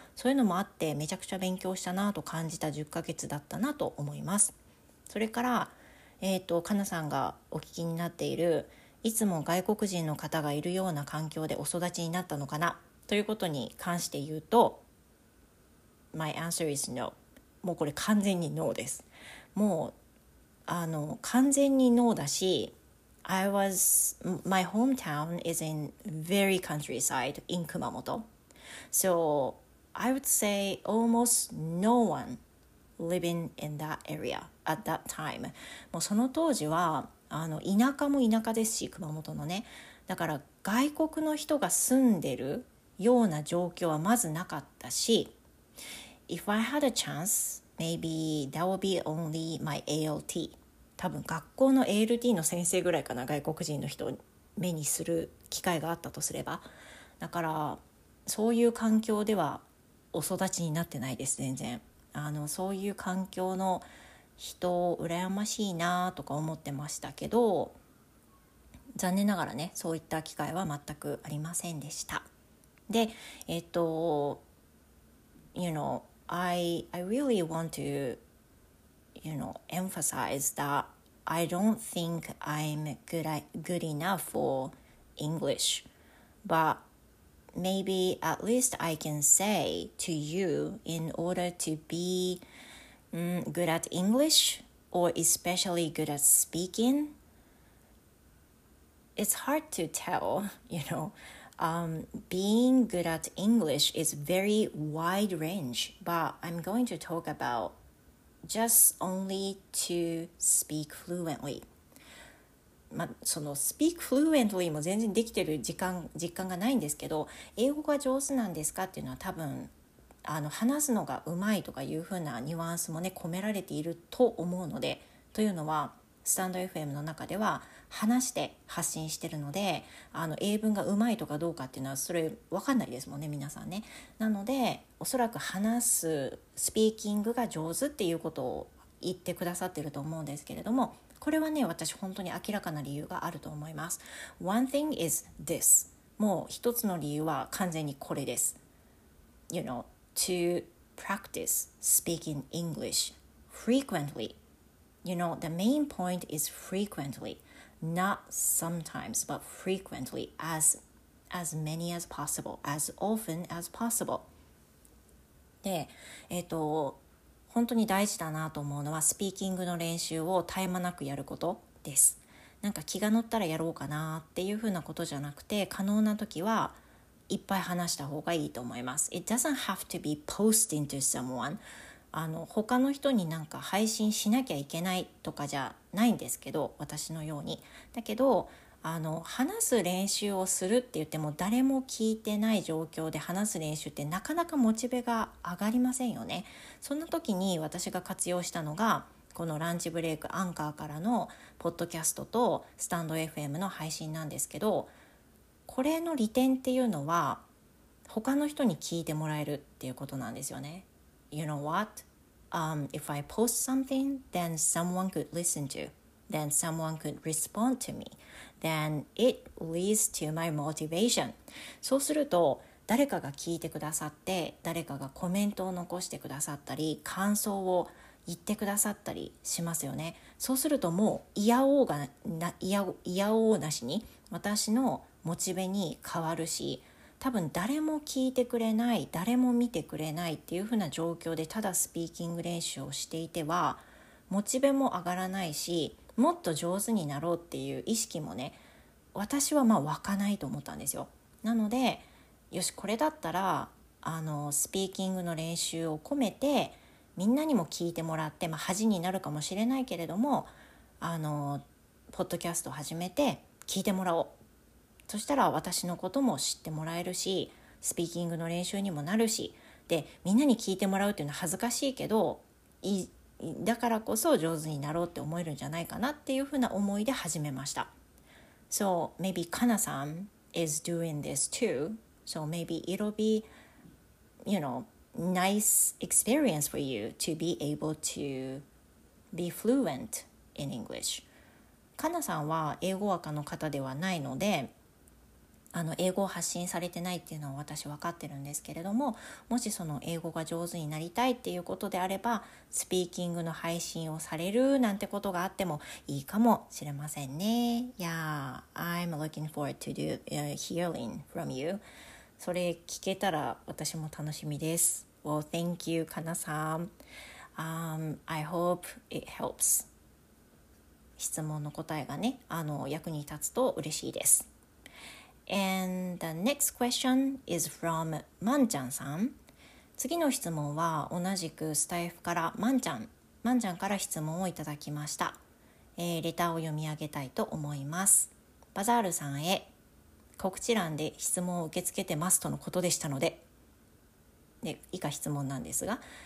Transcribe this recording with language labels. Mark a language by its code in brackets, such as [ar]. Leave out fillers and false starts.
[ja] そういうのもあってめちゃくちゃ勉強したなと感じた10ヶ月だったなと思います。それからかなさんがお聞きになっている、いつも外国人の方がいるような環境でお育ちになったのかなということに関して言うと、 [en] My answer is no。 [ja] もうこれ完全に no です。もう完全に no だし、 [en] My hometown is in very countryside in 熊本、 So I would say almost no one living in that area at that time。 [ja] もうその当時は田舎も田舎ですし、熊本のね、だから外国の人が住んでるような状況はまずなかったし、 [en] If I had a chance, maybe that would be only my ALT。 [ja] 多分学校の ALT の先生ぐらいかな、外国人の人を目にする機会があったとすれば。だからそういう環境ではお育ちになってないです、全然。そういう環境の人羨ましいなとか思ってましたけど、残念ながらね、そういった機会は全くありませんでした。 [en] で、You know, I really want to, you know, emphasize that I don't think I'm good enough for English, but maybe at least I can say to you, in order to be good at English or especially good at speaking, it's hard to tell, you know. Being good at English is very wide range, but I'm going to talk about just only to speak fluently. [ja] まあ、その [en] speak fluently [ja] も全然できてる実感がないんですけど、英語が上手なんですかっていうのは多分話すのがうまいとかいうふうなニュアンスもね込められていると思うので、というのはスタンド FM の中では話して発信してるので、英文がうまいとかどうかっていうのはそれ分かんないですもんね、皆さんね。なのでおそらく話すスピーキングが上手っていうことを言ってくださってると思うんですけれども、これはね私本当に明らかな理由があると思います。 [en] One thing is this。 [ja] もう一つの理由は完全にこれです。 [en] You knowTo practice speaking English frequently. You know, the main point is frequently. Not sometimes, but frequently. As many as possible. As often as possible. [ja] で、本当に大事だなと思うのは、スピーキングの練習を絶え間なくやることです。なんか気が乗ったらやろうかなっていうふうなことじゃなくて、可能な時は、いっぱい話した方がいいと思います。 [en] It doesn't have to be posting to someone. [ja] 他の人になんか配信しなきゃいけないとかじゃないんですけど、私のように。だけど、話す練習をするって言っても誰も聞いてない状況で話す練習ってなかなかモチベが上がりませんよね。そんな時に私が活用したのが、このランチブレイクアンカーからのポッドキャストとスタンド FM の配信なんですけど、これの利点っていうのは他の人に聞いてもらえるっていうことなんですよね。 [en] You know what? If I post something, then someone could listen to. Then someone could respond to me. Then it leads to my motivation. [ja] そうすると誰かが聞いてくださって、誰かがコメントを残してくださったり感想を言ってくださったりしますよね。そうするともう嫌おうなしに私のモチベに変わるし、多分誰も聞いてくれない、誰も見てくれないっていう風な状況でただスピーキング練習をしていてはモチベも上がらないし、もっと上手になろうっていう意識もね、私はまあ湧かないと思ったんですよ。なのでよし、これだったらスピーキングの練習を込めてみんなにも聞いてもらって、まあ、恥になるかもしれないけれども、ポッドキャスト始めて聞いてもらおう、そしたら私のことも知ってもらえるし、スピーキングの練習にもなるし、でみんなに聞いてもらうっていうのは恥ずかしいけど、だからこそ上手になろうって思えるんじゃないかなっていうふうな思いで始めました。 [en] So maybe Kana さん is doing this too. So maybe it'll be, you know, nice experience for you to be able to be fluent in English. [ja] かなさんは英語枠の方ではないので、あの英語を発信されてないっていうのは私分かってるんですけれども、もしその英語が上手になりたいっていうことであれば、スピーキングの配信をされるなんてことがあってもいいかもしれませんね。 [en] Yeah, I'm looking forward to do, hearing from you. [ja] それ聞けたら私も楽しみです。 [en] Well, thank you, Kana-san. I hope it helps. [ja] 質問の答えがね、あの役に立つと嬉しいです。 [en] And the next question is from まんちゃんさん。 [ja] 次の質問は同じくスタイフからまんちゃんから質問をいただきました、レターを読み上げたいと思います。バザールさんへ、告知欄で質問を受け付けてますとのことでしたので、で以下質問なんですが、